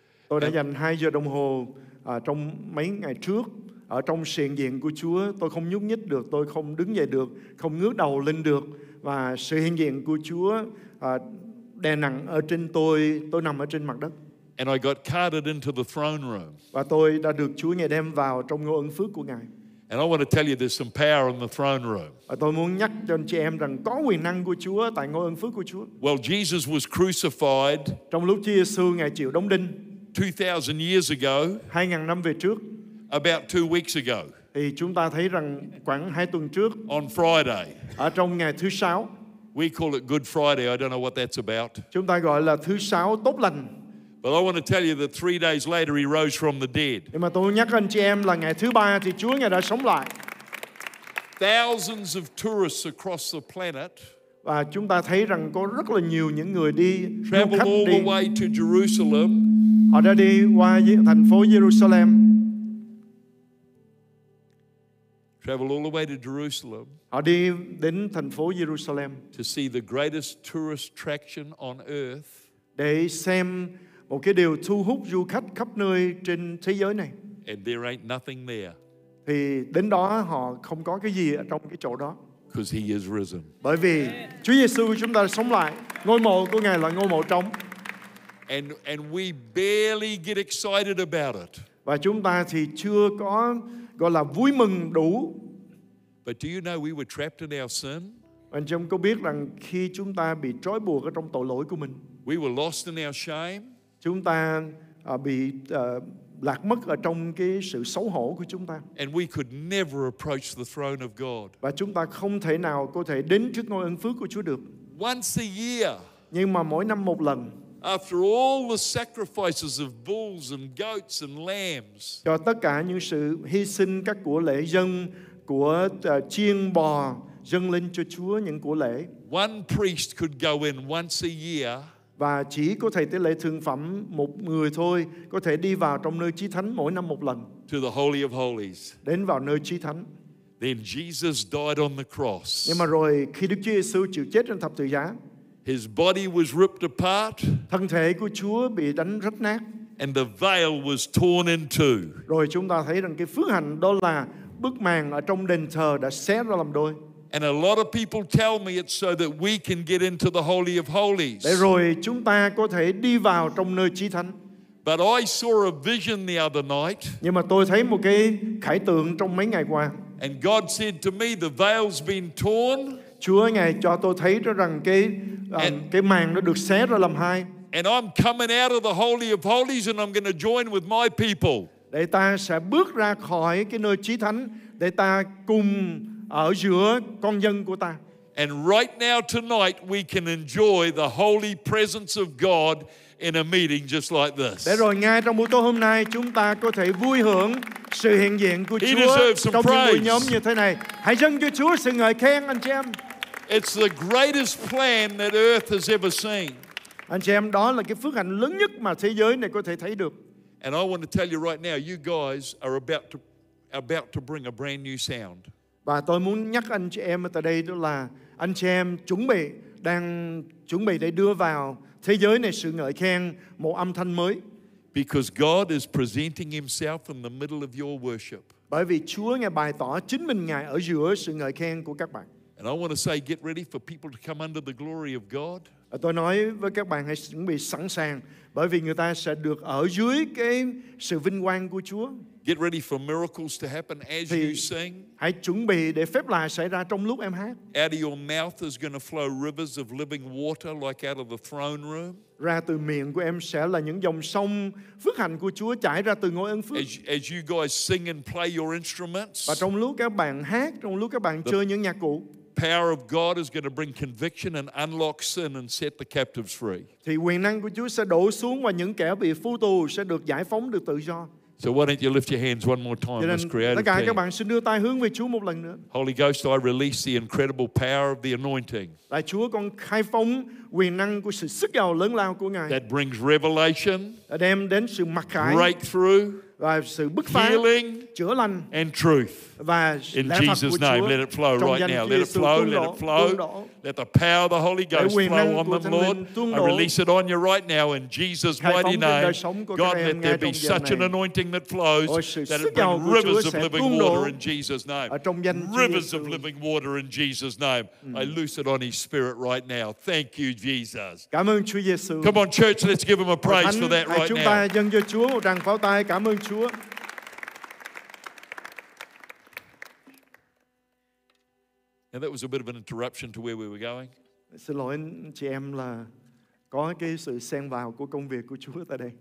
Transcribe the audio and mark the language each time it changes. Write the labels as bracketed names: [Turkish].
[Vietnamese] Tôi đã dành 2 giờ đồng hồ trong mấy ngày trước. Ở trong sự hiện diện của Chúa, tôi không nhúc nhích được, tôi không đứng dậy được, không ngước đầu lên được. Và sự hiện diện của Chúa đè nặng ở trên tôi nằm ở trên mặt đất. [English] And I got carted into the throne room. [Vietnamese] Và tôi đã được Chúa Ngài đem vào trong ngôi ân phước của Ngài. [English] And I want to tell you there's some power in the throne room. [Vietnamese] Và tôi muốn nhắc cho anh chị em rằng có quyền năng của Chúa tại ngôi ân phước của Chúa. [English] Well, Jesus was crucified. [Vietnamese] Trong lúc Chúa Giêsu Ngài chịu đóng đinh. [English] 2000 years ago. [Vietnamese] 2000 năm về trước. [English] About 2 weeks ago. [Vietnamese] Thì chúng ta thấy rằng khoảng 2 tuần trước. [English] On Friday. [Vietnamese] Ở trong ngày thứ sáu. [English] We call it Good Friday. I don't know what that's about. [Vietnamese] Chúng ta gọi là thứ sáu tốt lành. [English] But I want to tell you that 3 days later he rose from the dead. [Vietnamese] Nhưng mà tôi nhắc anh chị em là ngày thứ ba thì Chúa Ngài đã sống lại. [English] Thousands of tourists across the planet. [Vietnamese] Và chúng ta thấy rằng có rất là nhiều những người đi [English] travel all the way to Jerusalem. [Vietnamese] Họ đã đi qua thành phố Jerusalem. [English] Travel all the way to Jerusalem. [Vietnamese] Họ đi đến thành phố Jerusalem [English] to see the greatest tourist attraction on earth. [Vietnamese] Để xem một cái điều thu hút du khách khắp nơi trên thế giới này. [English] And there ain't nothing there. [Vietnamese] Thì đến đó họ không có cái gì ở trong cái chỗ đó. [English] Because he is risen. [Vietnamese] Bởi vì Chúa Giêsu chúng ta sống lại. Ngôi mộ của Ngài là ngôi mộ trống. [English] And we barely get excited about it. [Vietnamese] Và chúng ta thì chưa có gọi là vui mừng đủ. [English] But do you know we were trapped in our sin? [Vietnamese] Anh chị em có biết rằng khi chúng ta bị trói buộc ở trong tội lỗi của mình, [English] we were lost in our shame. [Vietnamese] Chúng ta bị lạc mất ở trong cái sự xấu hổ của chúng ta. [English] And we could never approach the throne of God. [Vietnamese] Và chúng ta không thể nào có thể đến trước ngôi ân phước của Chúa được. [English] Once a year. [Vietnamese] Nhưng mà mỗi năm một lần. [English] After all the sacrifices of bulls and goats and lambs. [Vietnamese] Cho tất cả những sự hy sinh các của lễ dâng của chiên bò dâng lên cho Chúa những của lễ. [English] One priest could go in once a year. [Vietnamese] Và chỉ có thầy tế lễ thường phẩm một người thôi có thể đi vào trong nơi chí thánh mỗi năm một lần. [English] To the Holy of Holies. [Vietnamese] Đến vào nơi chí thánh. [English] Then Jesus died on the cross. [Vietnamese] Nhưng mà rồi khi Đức Chúa Giêsu chịu chết trên thập tự giá. [English] His body was ripped apart. [Vietnamese] Thân thể của Chúa bị đánh rách nát. [English] And the veil was torn in two. [Vietnamese] Rồi chúng ta thấy rằng cái phước hạnh đó là bức màn ở trong đền thờ đã xé ra làm đôi. [English] And a lot of people tell me it's so that we can get into the Holy of Holies. [Vietnamese] Để rồi chúng ta có thể đi vào trong nơi chí thánh. [English] But I saw a vision the other night. [Vietnamese] Nhưng mà tôi thấy một cái khải tượng trong mấy ngày qua. [English] And God said to me, the veil's been torn. [Vietnamese] Chúa Ngài cho tôi thấy rằng cái màn nó được xé ra làm hai. [English] And I'm coming out of the Holy of Holies and I'm going to join with my people. [Vietnamese] Để ta sẽ bước ra khỏi cái nơi chí thánh để ta cùng ở giữa con dân của ta. [English] And right now tonight we can enjoy the holy presence of God in a meeting just like this. [Vietnamese] Để rồi ngay trong buổi tối hôm nay chúng ta có thể vui hưởng sự hiện diện của [English] He [Vietnamese] Chúa [English] deserves some [Vietnamese] trong [English] praise. [Vietnamese] Buổi nhóm như thế này. Hãy dâng cho Chúa sự ngợi khen anh chị em. [English] It's the greatest plan that earth has ever seen. [Vietnamese] Anh chị em, đó là cái phước hạnh lớn nhất mà thế giới này có thể thấy được. [English] And I want to tell you right now, you guys are about to bring a brand new sound. [Vietnamese] Và tôi muốn nhắc anh chị em ở tại đây, đó là anh chị em đang chuẩn bị để đưa vào thế giới này sự ngợi khen, một âm thanh mới. [English] Because God is presenting himself in the middle of your worship. [Vietnamese] Bởi vì Chúa ngài bày tỏ chính mình ngài ở giữa sự ngợi khen của các bạn. [English] And I want to say, get ready for people to come under the glory of God. [Vietnamese] Tôi nói với các bạn hãy chuẩn bị sẵn sàng, bởi vì người ta sẽ được ở dưới cái sự vinh quang của Chúa. [English] Get ready for miracles to happen as you sing. [Vietnamese] Hãy chuẩn bị để phép lạ xảy ra trong lúc em hát. [English] Out of your mouth is going to flow rivers of living water like out of the throne room. [Vietnamese] Ra từ miệng của em sẽ là những dòng sông phước hạnh của Chúa chảy ra từ ngôi ân phước. [English] As you guys sing and play your instruments. [Vietnamese] Và trong lúc các bạn hát, trong lúc các bạn chơi những nhạc cụ. [English] Power of God is going to bring conviction and unlock sin and set the captives free. [Vietnamese] Thì quyền năng của Chúa sẽ đổ xuống và những kẻ bị phu tù sẽ được giải phóng, được tự do. [English] So why don't you lift your hands one more time, this creative [Vietnamese] team. Tất cả các bạn xin đưa tay hướng về Chúa một lần nữa. [English] Holy Ghost, I release the incredible power of the anointing. [Vietnamese] Lạy Chúa, con khai phóng quyền năng của sự sức giàu lớn lao của Ngài. [English] That brings revelation. [Vietnamese] Đem đến sự mặc khải. [English] Breakthrough. [Vietnamese] Và sự bứt phá, [English] healing, [Vietnamese] chữa lành, [English] and truth. [Vietnamese] Và [English] in Jesus' name, [Vietnamese] Chúa, [English] let it flow right now. Let it flow, let it flow. Let the power of the Holy Ghost flow on them, Lord. I release it on you right now in Jesus' mighty name. God, let there be such an anointing that flows that it brings rivers of living water in Jesus' name. Rivers of living water in Jesus' name. I loose it on His Spirit right now. Thank you, Jesus. [Vietnamese] Cảm ơn Chúa Giêsu. [English] Come on, church, let's give Him a praise for that right now. [Vietnamese] Chúng ta dâng cho Chúa một tràng pháo tay. Cảm ơn Chúa. [English] Now that was a bit of an interruption to where we were going. [Vietnamese] Xin lỗi anh chị em là có cái sự xen vào của công việc của Chúa tại đây.